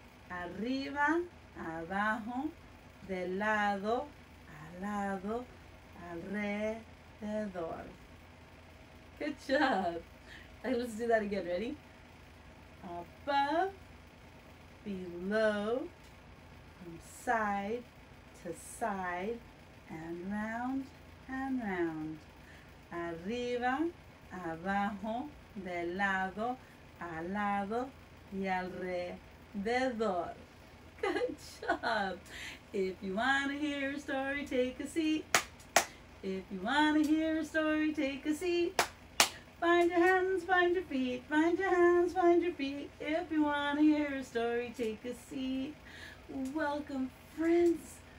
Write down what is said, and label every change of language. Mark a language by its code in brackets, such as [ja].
[es] Arriba, abajo, de lado, al lado, alrededor. [en] Good job. Let's do that again. Ready? Above, below, from side to side, and round and round. [es] Arriba, abajo, de lado, al lado, y alrededor. [en] Good job. If you want to hear a story, take a seat. If you want to hear a story, take a seat. Find your hands, find your feet. Find your hands, find your feet. If you want to hear a story, take a seat. Welcome, friends.